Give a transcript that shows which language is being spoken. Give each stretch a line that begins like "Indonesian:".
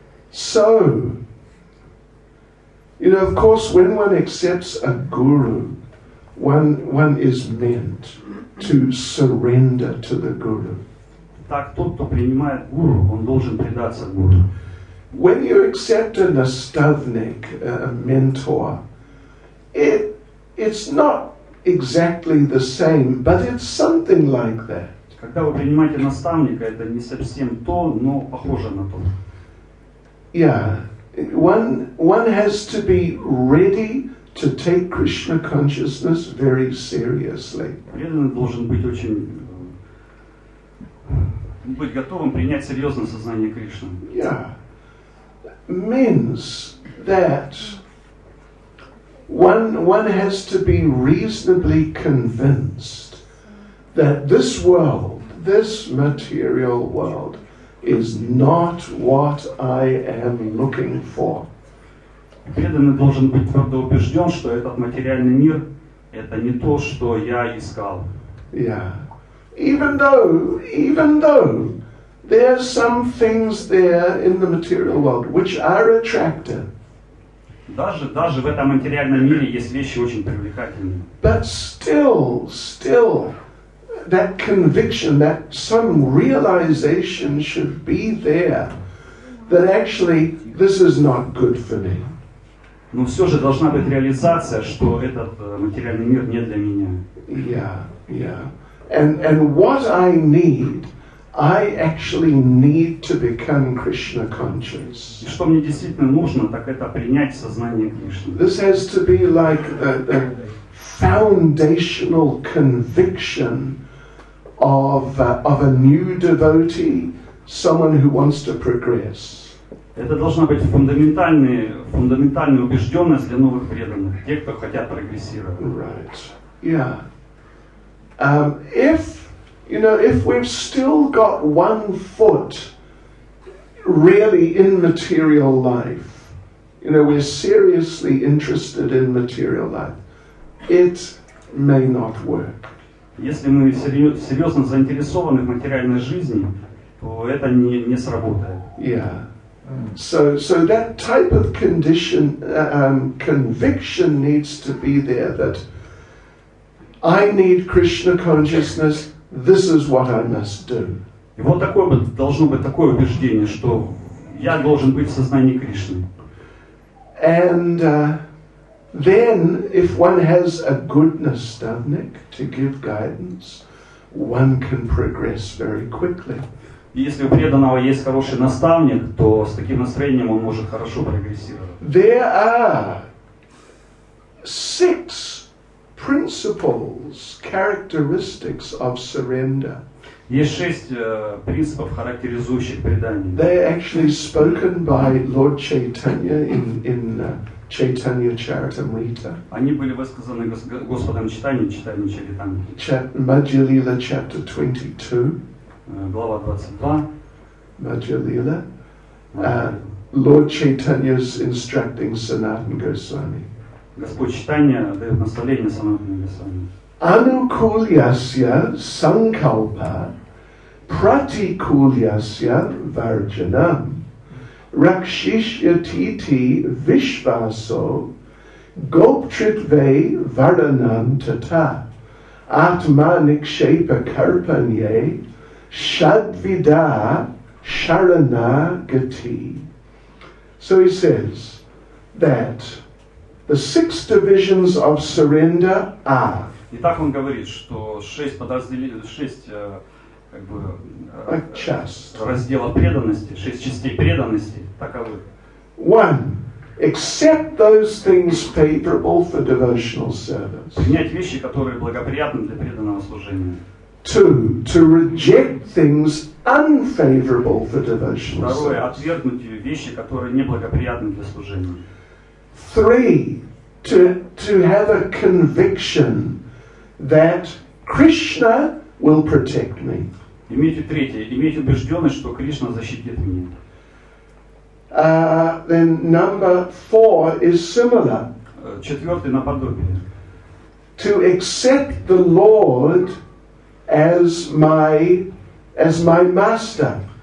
English: So, you know, of course, when one accepts a guru, one is meant to surrender to the guru.
Russian: Так тот, кто принимает гуру, он должен предаться гуру.
English: When you accept a nastavnik, a mentor, it's not exactly the same, but it's something like that.
Russian: Когда вы принимаете наставника, это не совсем то, но похоже на то.
English: Yeah, one has to be ready to take Krishna consciousness very seriously.
Russian: Преданный должен быть быть готовым принять серьезное сознание Кришны.
English: Yeah, means that one has to be reasonably convinced that this world, this material world, is not what I am looking for.
Russian: Преданный должен быть твердо убежден, что этот материальный мир – это не то, что я искал.
English: Yeah. Even though there are some things there in the material world which are attractive.
Russian: Даже в этом материальном мире есть вещи очень привлекательные.
English: But still. That conviction, that some realization should be there, that actually this is not good for me.
Russian: Но все же должна быть реализация, что этот материальный мир не для меня.
English: Yeah. And what I need, I actually need to become Krishna conscious.
Russian: И что мне действительно нужно, так это принять сознание Кришны.
English: This has to be like the foundational conviction of a new devotee, someone who wants to progress.
Russian: Это должна быть фундаментальная убежденность для новых преданных, тех, кто хотят прогрессировать.
English: Right. Yeah. If You know, if we've still got one foot really in material life, you know, we're seriously interested in material life, it may not work.
Russian: Если мы серьезно заинтересованы в материальной жизни, то это не сработает.
English: Yeah. So that type of condition, conviction needs to be there that I need Krishna consciousness. This is what I must do.
Russian: И вот такое должно быть такое убеждение, что я должен быть в сознании Кришны.
English: And then, if one has a goodness stomach to give guidance, one can progress very quickly.
Russian: Если у преданного есть хороший наставник, то с таким настроением он может хорошо прогрессировать.
English: There are six principles, characteristics of surrender.
Russian: Есть шесть принципов, характеризующих предание.
English: They are actually spoken by Lord Chaitanya in Chaitanya Charitamrita.
Russian: Они были высказаны Господом Чайтанья, Чайтанья Чаритамрита.
English: Маджалила, chapter 22.
Russian: Глава 22.
English: Маджалила. Lord Chaitanya's instructing Sanatan Goswami.
Russian: Господь Чайтанья дает наставление Санатану Госвами.
Sanskrit: Anukulyasya sankalpa pratikulyasya varjanam rakshishyatiti vishvaso goptritve varanam tata atmanikshepa karpanye shadvida sharana gati.
English: So he says that the six divisions of surrender are.
Russian: Итак, он говорит, что разделов преданности, шесть частей преданности таковы.
English: One, accept those things favorable for devotional service.
Russian: Принять вещи, которые благоприятны для преданного служения.
English: Two, to reject things unfavorable for devotional service.
Russian: Второе, отвергнуть вещи, которые неблагоприятны для служения.
English: Three, to have a conviction that Krishna will protect me.
Russian: Имейте третье, имейте убежденность, что Кришна защитит меня.
English: Then number four is similar.
Russian: Четвертый наподобие.
English: To accept the Lord as my master.